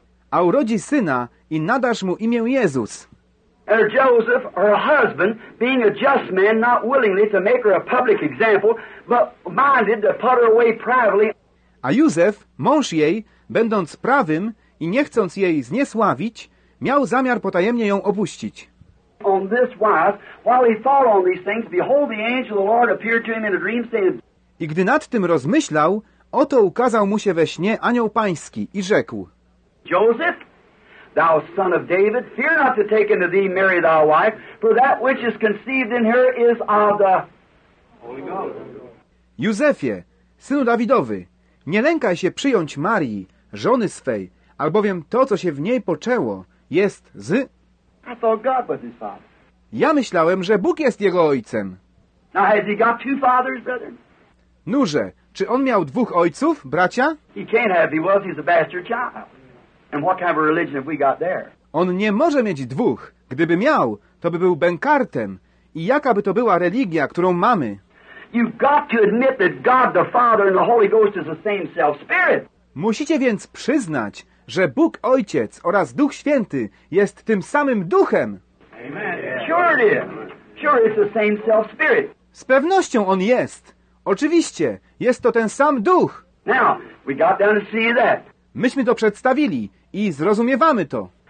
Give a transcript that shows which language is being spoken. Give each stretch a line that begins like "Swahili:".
Polish: A urodzi syna i nadasz mu imię Jezus.
English: And Joseph, her husband, being a just man, not willingly to make her a public example, but minded to put her away privately.
Polish: A Józef, mąż jej, będąc prawym i nie chcąc jej zniesławić, miał zamiar potajemnie ją opuścić.
English: On this wise, while he thought on these things, behold, the angel of the Lord appeared to him in a dream, saying.
Polish: I gdy nad tym rozmyślał, oto ukazał mu się we śnie anioł pański i rzekł:
English: Joseph, thou son of David, fear not to take unto thee Mary thy wife, for that which is conceived in her is of the Holy Ghost.
Polish: Józefie, synu Dawidowy, nie lękaj się przyjąć Marii, żony swej, albowiem to, co się w niej poczęło, jest z...
English: I thought God was his father.
Polish: Ja myślałem, że Bóg jest jego ojcem.
English: Now, has he got two fathers, brother?
Polish: Nurze, czy on miał dwóch ojców, bracia?
English: He can't have, he was, he's a bastard child. And what kind of religion have we got there?
Polish: On nie może mieć dwóch. Gdyby miał, to by był bękartem. I jaka by to była religia, którą mamy?
English: You've got to admit that God the Father and the Holy Ghost is the same self-spirit.
Polish: Musicie więc przyznać, że Bóg Ojciec oraz Duch Święty jest tym samym duchem.
English: Amen. Sure it is. Sure it's the same self-spirit.
Polish: Z pewnością on jest. Oczywiście, jest to ten sam duch.
English: Now, we got down to see that.
Polish: Myśmy to przedstawili i zrozumiewamy to.